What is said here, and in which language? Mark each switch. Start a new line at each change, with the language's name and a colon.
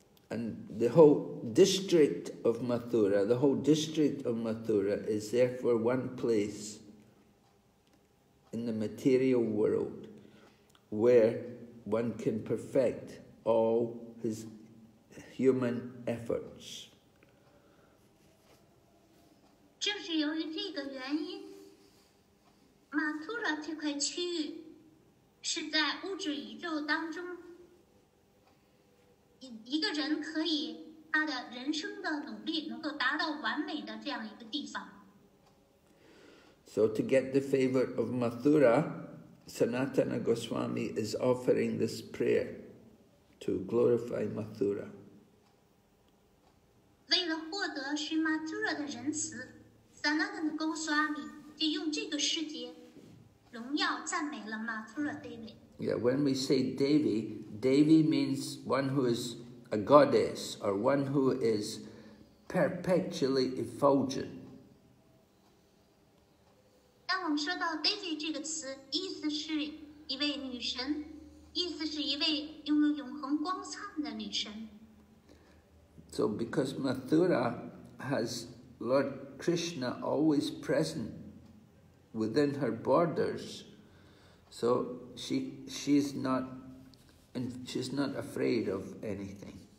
English: And the whole district of Mathura, the whole district of Mathura is therefore one place in the material world where one can perfect all his human efforts.
Chinese: 正是由于这个原因，马图拉这块区域是在物质宇宙当中一个人可以他的人生的努力能够达到完美的这样一个地方。
English: So to get the favor of Mathura, Sanatana Goswami is offering this prayer to glorify Mathura.
Chinese: 为了获得是 Mathura 的仁慈，Sanatana Goswami 就用这个世界荣耀赞美了 Mathura Devi.
English: Yeah, when we say Devi, Devi means one who is a goddess or one who is perpetually effulgent.
Chinese: 当我们说到 Devi 这个词，意思是一位女神，意思是一位拥有永恒光灿的女神。
English: So because Mathura has Lord Krishna always present within her borders, so she's not afraid of anything.